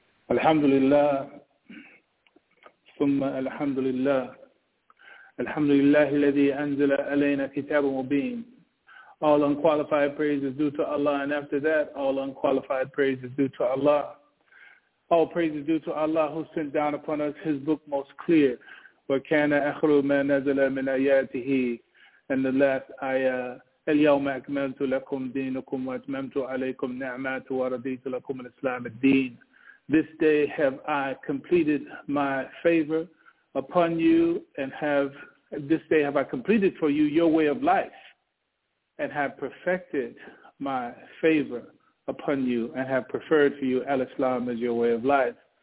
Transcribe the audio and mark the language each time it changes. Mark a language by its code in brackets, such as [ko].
[ar] الحمد لله ثم الحمد لله الحمد لله الذي أنزل علينا كتاب مبين. [en] All unqualified praise is due to Allah, and after that, all unqualified praise is due to Allah. All praise is due to Allah who sent down upon us His book most clear. [ar] وَكَانَ أَخْرُ مَا نَزَلَ مِنْ آيَاتِهِ. [en] And the last ayah, [ar] الْيَوْمَ أَكْمَلْتُ لَكُمْ دِينُكُمْ وَأَتْمَمْتُ عَلَيْكُمْ نِعْمَتِي وَرَضِيتُ لَكُمُ الْإِسْلَامَ الدِّينَ. [en] This day have I completed my favor upon you, and have completed for you your way of life, and have perfected my favor upon you, and have preferred for you al-Islam as your way of life.